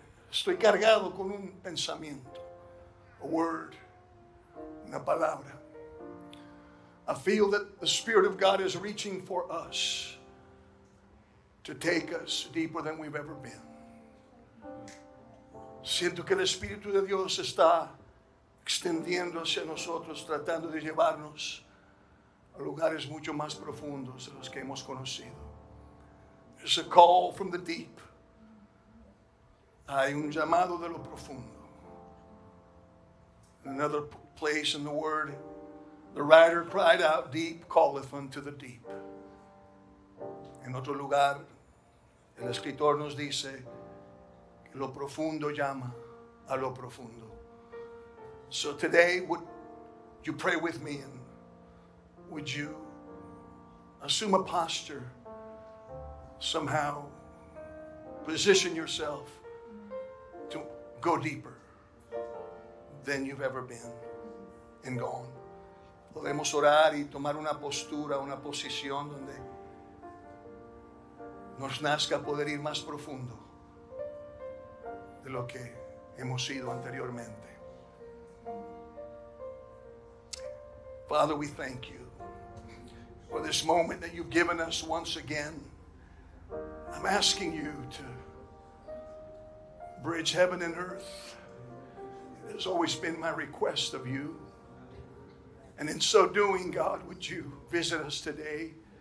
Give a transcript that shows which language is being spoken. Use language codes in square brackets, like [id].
[es] Estoy cargado con un pensamiento, [en] a word, [es] una palabra. [en] I feel that the Spirit of God is reaching for us to take us deeper than we've ever been. [es] Siento que el Espíritu de Dios está extendiéndose a nosotros, tratando de llevarnos a lugares mucho más profundos de los que hemos conocido. [en] It's a call from the deep. [es] Hay un llamado de lo profundo. [en] Another place in the word, the writer cried out, deep calleth unto the deep. [es] En otro lugar, el escritor nos dice que lo profundo llama a lo profundo. [en] So today, would you pray with me and would you assume a posture, somehow position yourself to go deeper than you've ever been and gone. [es] Podemos orar y tomar una postura, una posición donde nos nazca poder ir más profundo de lo que hemos sido anteriormente. [en] Father, we thank you for this moment that you've given us once again. I'm asking you to bridge heaven and earth. It has always been my request of you. And in so doing, God, would you visit us today?